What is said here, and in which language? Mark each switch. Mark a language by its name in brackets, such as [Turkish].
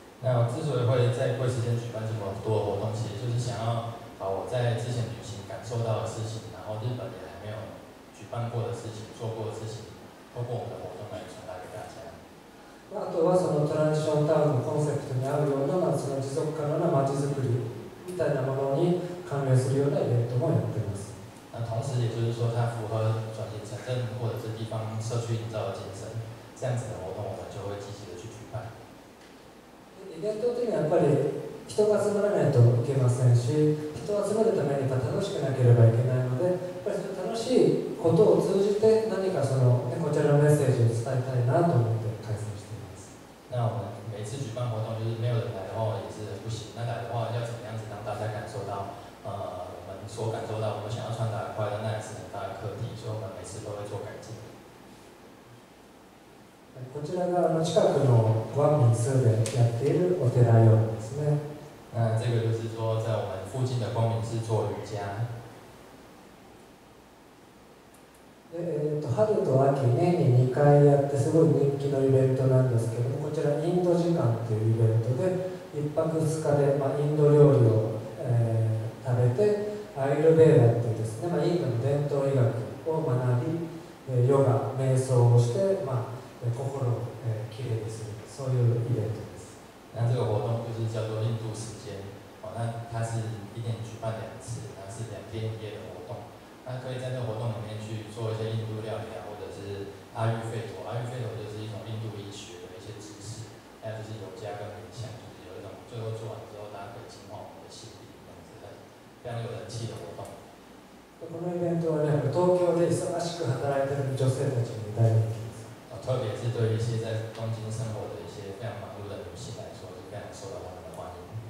[Chinese] 那我之所以会在贵时间举办这么多的活动，其实就是想要把我在之前旅行感受到的事情，然后日本也还没有举办过的事情、做过的事情，透过我们的活动来传达给大家。 [Japanese] あとはそのトランジションタウンのコンセプトに合うような、まあその持続可能な街づくりみたいなものに関連するようなイベントもやっています。 [Chinese] 那同时也就是说，它符合转型城镇或者是地方社区营造的精神。这样子的活动，我们就会积极的去举办。 [Japanese] イベントというのはやっぱり人が集まらないといけませんし、人を集めるためにやっぱ楽しくなければいけないので、やっぱり楽しいことを通じて何かそのこちらのメッセージを伝えたいなと思って開催しています。 [Chinese] 那我们每次举办活动，就是没有人来的话也是不行。那来的话要怎么样子让大家感受到，我们所感受到我们想要传达的快乐，那也是很大的课题。所以我们每次都会做改进。 [Japanese] こちらが近くのワンミンスでやっているお寺用ですね。 [Chinese] 那这个就是说，在我们附近的光明寺做瑜伽。 [Japanese] 春と秋年に2回やってすごい人気のイベントなんですけども、こちらインド時間というイベントで一泊二日でまあインド料理を、食べてアイルベーダーというですね、まあインドの伝統医学を学び、ヨガ瞑想をしてまあ。心をきれいにする、そういうイベントです。 [Chinese] 那这个活动就是叫做印度时间，哦，那它是一年举办两次，那是两天一夜的活动。那可以在这个活动里面去做一些印度料理啊，或者是阿育吠陀，阿育吠陀就是一种印度医学的一些知识，还有就是瑜伽跟冥想，就是有一种最后做完之后大家可以净化我们的心灵，这样子的非常有人气的活动。 [Japanese] このイベントはね、東京で忙しく働いてる女性たちに大人気。 [Chinese] 特别是对一些在东京生活的一些非常忙碌的女性来说，是非常受到他们的欢迎。